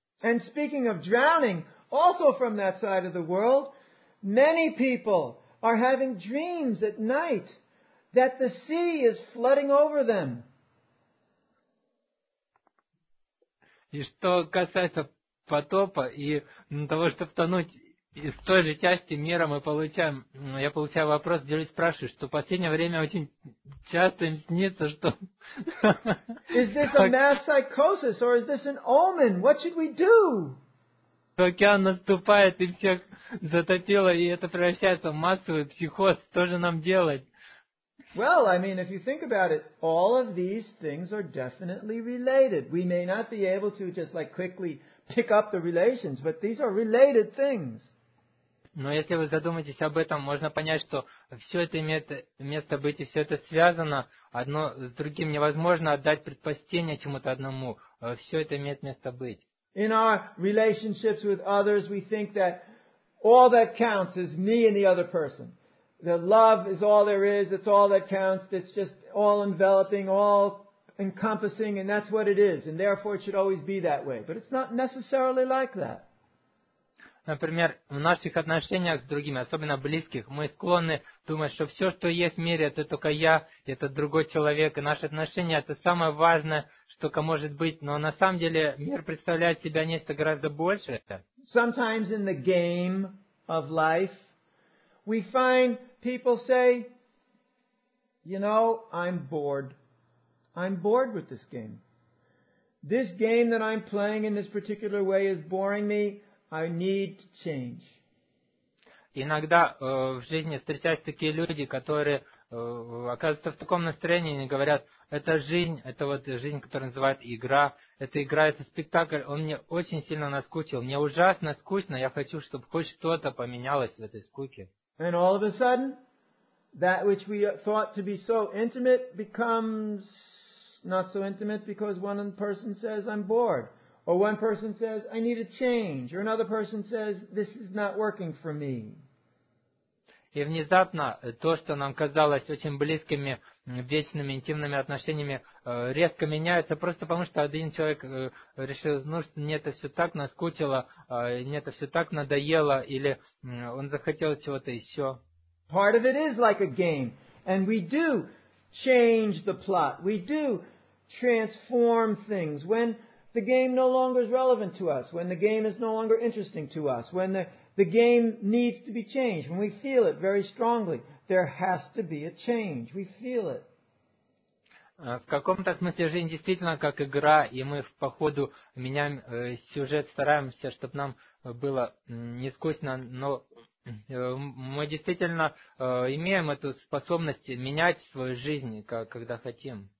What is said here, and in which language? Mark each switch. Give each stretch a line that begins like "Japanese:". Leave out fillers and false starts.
English: And speaking of drowning, also from that side of the world, many people are having dreams at night that the sea is flooding over them.
Russian: И что касается потопа и того, чтобы тонуть из той же части мира, я получаю вопрос, где люди спрашивают, что в последнее время очень часто им снится, что...
English: Is this a mass psychosis or is this an omen? What should we do?
Russian: Океан наступает и всех затопило, и это превращается в массовый психоз. Что же нам делать?
English: Well, I mean, if you think about it, all of these things are definitely related. We may not be able to just like quickly pick up the relations, but these are related things.
Russian: Но если вы задумаетесь об этом, можно понять, что все это имеет место быть, и все это связано одно с другим. Невозможно отдать предпочтение чему-то одному. Все это имеет место быть.
English: In our relationships with others, we think that all that counts is me and the other person. That love is all there is, it's all that counts, it's just all enveloping, all encompassing, and that's what it is, and therefore it should always be that way. But it's not necessarily like that.
Russian: Например, в наших отношениях с другими, особенно близких, мы склонны думать, что все, что есть в мире, это только я, это другой человек, и наши отношения – это самое важное, что может быть. Но на самом деле мир представляет себя нечто гораздо большее.
English: Sometimes in the game of life, we find people say, you know, I'm bored. I'm bored with this game. This game that I'm playing in this particular way is boring me. I need to change.
Russian: Иногда в жизни встречаются такие люди, которые оказываются в таком настроении, они говорят, это жизнь, это вот жизнь, которую называют игра, это игра, это спектакль, он мне очень сильно наскучил, мне ужасно скучно, я хочу, чтобы хоть что-то поменялось в этой скуке.
English: And all of a sudden, that which we thought to be so intimate becomes not so intimate because one person says, I'm bored. Or one person says, I need a change. Or another person says, this is not working for me.
Russian: И внезапно то, что нам казалось очень близкими, вечными, интимными отношениями, резко меняется, просто потому что один человек решил, ну, что мне это все так наскучило, мне это все так надоело, или он захотел чего-то еще.
English: Part of it is like a game. And we do change the plot. We do transform things. When the game no longer is relevant to us, when the game is no longer interesting to us, when the game needs to be changed, when we feel it very strongly, there has to be a change. We feel it.
Russian: В каком-то смысле жизнь действительно как игра, и мы по ходу меняем сюжет, стараемся, чтобы нам было не скучно, но мы действительно имеем эту способность менять свою жизнь, когда хотим.